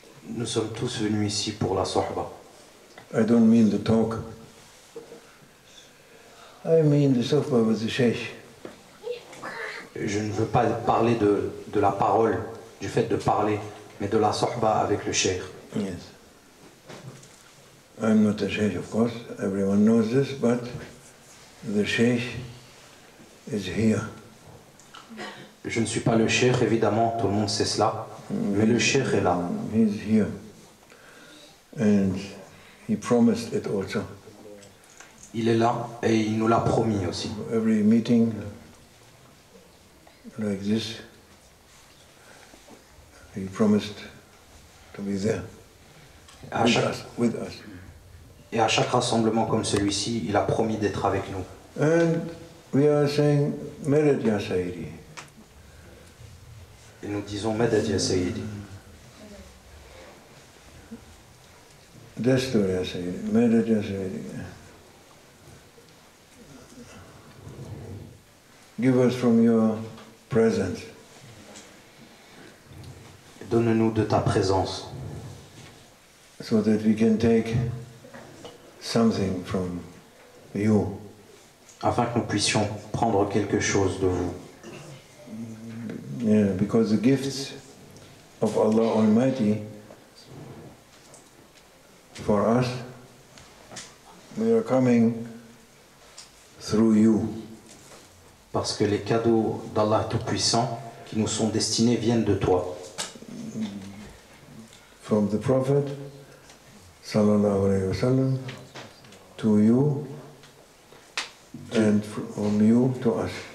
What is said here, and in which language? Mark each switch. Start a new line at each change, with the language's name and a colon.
French: Nous sommes tous venus ici pour la sohba.
English: I don't mean the talk. I mean the sohba with the sheikh.
French: Je ne veux pas parler de la parole, du fait de parler, mais de la sohba avec le sheikh.
English: Yes. I'm not a sheikh, of course. Everyone knows this, but the sheikh is here.
French: Je ne suis pas le sheikh, évidemment, tout le monde sait cela. Mais le Cheikh est là.
English: He's here. And he promised it also.
French: Il est là et il nous l'a promis aussi.
English: Every meeting like this, he promised to be there. With us.
French: Et à chaque rassemblement comme celui-ci, il a promis d'être avec nous.
English: And we are saying,
Arabic: Merit Ya Sayyidi.
French: Et nous disons
Arabic: Madad Ya Sayyidi. Destur Ya Sayyidi. Madad Ya Sayyidi.
English: Give us from your presence.
French: Donne-nous de ta présence.
English: So that we can take something from you.
French: Afin que nous puissions prendre quelque chose de vous.
English: Yeah, because the gifts of Allah Almighty for us, they are coming through you.
French: Parce que les cadeaux d'Allah Tout-Puissant qui nous sont destinés viennent de toi.
English: From the Prophet,
Arabic: sallallahu alayhi wa sallam,
English: to you, and from you to us.